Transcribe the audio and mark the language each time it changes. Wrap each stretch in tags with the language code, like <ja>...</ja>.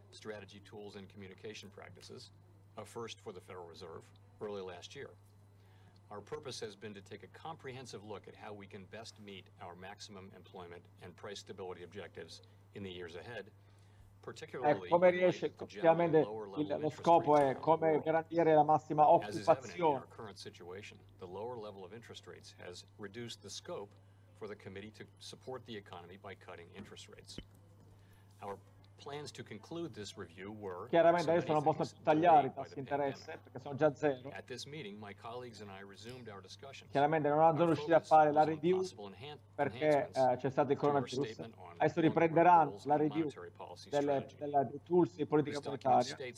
<en>strategy tools and communication practices, a first for the Federal Reserve, early last year. Our purpose has been to take a comprehensive look at how we can best meet our maximum employment and price stability objectives in the years ahead, particularly</en> <it>come riesce, chiaramente lo scopo è come garantire la massima occupazione.</it> <en>Our current situation, the lower level of interest rates has reduced the scope for the committee to support the economy by cutting interest rates. Our plans to conclude this review were</en> <it>chiaramente adesso non posso tagliare i tassi di interesse perché sono già zero.</it> <en>At this meeting, my colleagues and I resumed our discussions.</en> <it>Chiaramente non sono riusciti a fare la review perché c'è stato il coronavirus. Adesso riprenderanno la review dei tools di politica monetaria.</it>